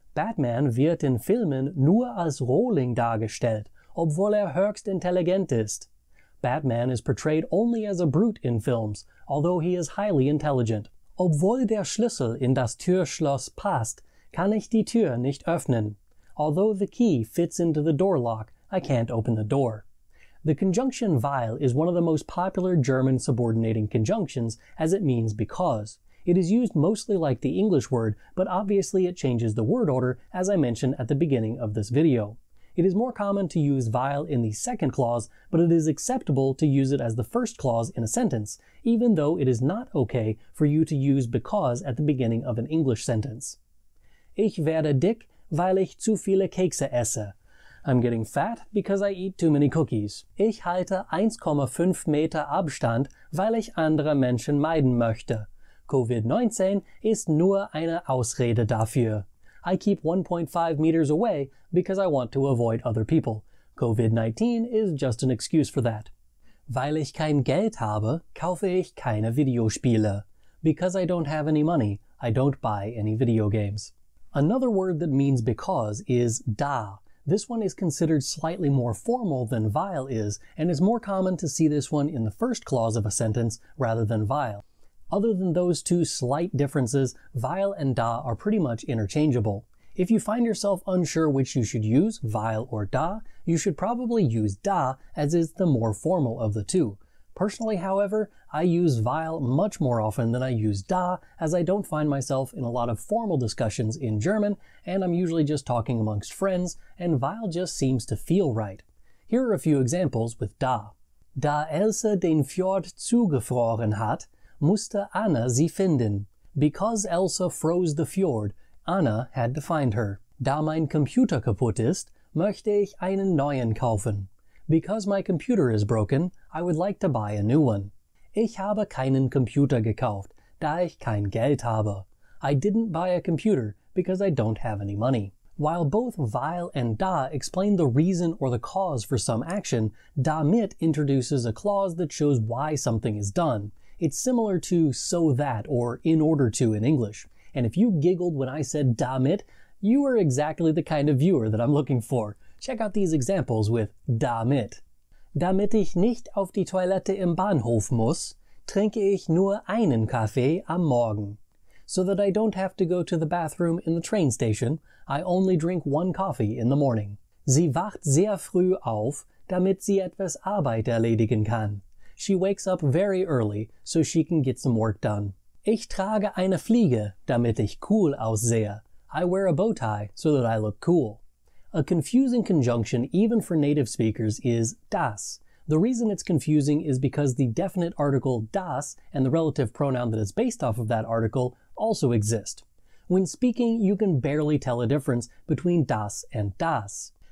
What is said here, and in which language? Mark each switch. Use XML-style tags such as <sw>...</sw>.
<de>Batman wird in Filmen nur als Rohling dargestellt, obwohl höchst intelligent ist.</de> <en>Batman is portrayed only as a brute in films, although he is highly intelligent.</en> <de>Obwohl der Schlüssel in das Türschloss passt, kann ich die Tür nicht öffnen.</de> <en>Although the key fits into the door lock, I can't open the door. The conjunction weil is one of the most popular German subordinating conjunctions, as it means because. It is used mostly like the English word, but obviously it changes the word order, as I mentioned at the beginning of this video. It is more common to use weil in the second clause, but it is acceptable to use it as the first clause in a sentence, even though it is not okay for you to use because at the beginning of an English sentence.</en> <de>Ich werde dick, weil ich zu viele Kekse esse.</de> <en>I'm getting fat because I eat too many cookies.</en> <de>Ich halte 1,5 Meter Abstand, weil ich andere Menschen meiden möchte. Covid-19 ist nur eine Ausrede dafür.</de> <en>I keep 1.5 meters away because I want to avoid other people. Covid-19 is just an excuse for that.</en> <de>Weil ich kein Geld habe, kaufe ich keine Videospiele.</de> <en>Because I don't have any money, I don't buy any video games. Another word that means because is da. This one is considered slightly more formal than weil is, and is more common to see this one in the first clause of a sentence rather than weil. Other than those two slight differences, weil and da are pretty much interchangeable. If you find yourself unsure which you should use, weil or da, you should probably use da, as is the more formal of the two. Personally, however, I use weil much more often than I use da, as I don't find myself in a lot of formal discussions in German, and I'm usually just talking amongst friends, and weil just seems to feel right. Here are a few examples with da.</en> <de>Da Elsa den Fjord zugefroren hat, musste Anna sie finden.</de> <en>Because Elsa froze the fjord, Anna had to find her.</en> <de>Da mein Computer kaputt ist, möchte ich einen neuen kaufen.</de> <en>Because my computer is broken, I would like to buy a new one.</en> <de>Ich habe keinen Computer gekauft, da ich kein Geld habe.</de> <en>I didn't buy a computer because I don't have any money. While both weil and da explain the reason or the cause for some action, damit introduces a clause that shows why something is done. It's similar to so that or in order to in English. And if you giggled when I said damit, you are exactly the kind of viewer that I'm looking for. Check out these examples with damit.</en> <de>Damit ich nicht auf die Toilette im Bahnhof muss, trinke ich nur einen Kaffee am Morgen.</de> <en>So that I don't have to go to the bathroom in the train station, I only drink one coffee in the morning.</en> <de>Sie wacht sehr früh auf, damit sie etwas Arbeit erledigen kann.</de> <en>She wakes up very early, so she can get some work done.</en> <de>Ich trage eine Fliege, damit ich cool aussehe.</de> <en>I wear a bow tie, so that I look cool. A confusing conjunction even for native speakers is das. The reason it's confusing is because the definite article das and the relative pronoun that is based off of that article also exist. When speaking, you can barely tell a difference between das and das.</en>